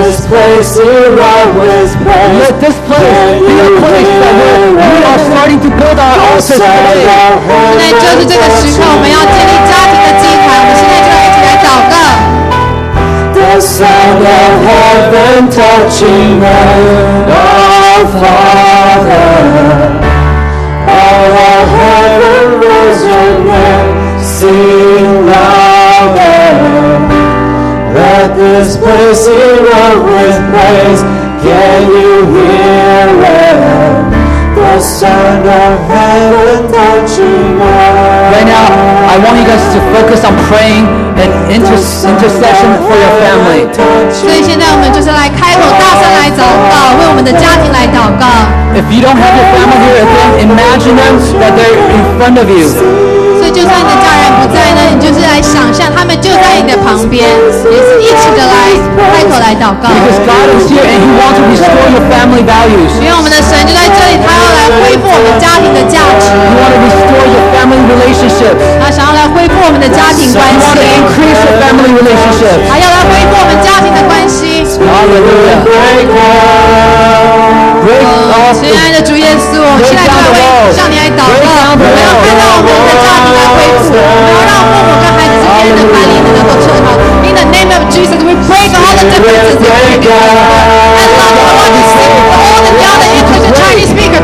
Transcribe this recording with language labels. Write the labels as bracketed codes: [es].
[en] Let this place be a place that we are starting to build our altars today. [zh] 现在就是这个时刻，我们要建立家庭的祭坛。我们现在就要一起来祷告。 [en] The sound of heaven touching earth, our Father. All our heaven raise your name, sing louder. Let this place erupt with praise, can you hear it? The sound of heaven touching earth. Right now, I want you guys to focus on praying and intercession for your family. [zh] 所以现在我们就是来开口大声来祷告，为我们的家庭来祷告。 [en] If you don't have your family here, then imagine them that they're in front of you. [zh] 所以就算你的家人不在呢，你就是来想象他们就在你的旁边，也是一起的来开口来祷告。 [en] Because God is here and He wants to restore your family values. [zh] 因为我们的神就在这里，他要来恢复我们家庭的价值。 [en] He wants to restore your family relationships. [zh] 他想要来恢复我们的家庭关系。 [en] He wants to increase your family relationships. [zh] 他要来恢复我们家庭的关系。 [en] Hallelujah. [zh] 亲爱的主耶稣，我现在就要为向你来祷告，我们要看到我们的家庭来恢复，我们要让父母跟孩子之间的管理能够做好。 [en] In the name of Jesus, we break all the differences in the family. And Lord, I want to speak with all the other English and Chinese speakers.